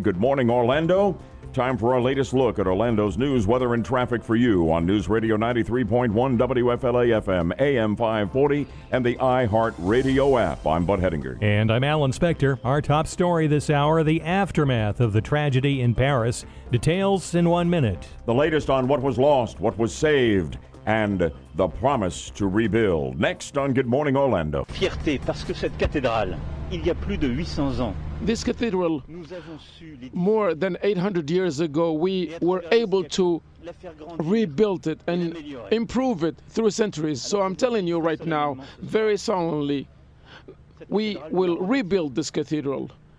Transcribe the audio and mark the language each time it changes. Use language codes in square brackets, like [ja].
[en] Good morning, Orlando. Time for our latest look at Orlando's news, weather, and traffic for you on News Radio 93.1 WFLA FM, AM 540, and the iHeart Radio app. I'm Bud Hedinger. And I'm Alan Spector. Our top story this hour, the aftermath of the tragedy in Paris. Details in 1 minute. The latest on what was lost, what was saved, and the promise to rebuild. Next on Good Morning Orlando. [fr] Fierté parce que cette cathédrale, il y a plus de 800 ans. [en] This cathedral, more than 800 years ago, we were able to rebuild it and improve it through centuries. So I'm telling you right now, very solemnly, we will rebuild this cathedral.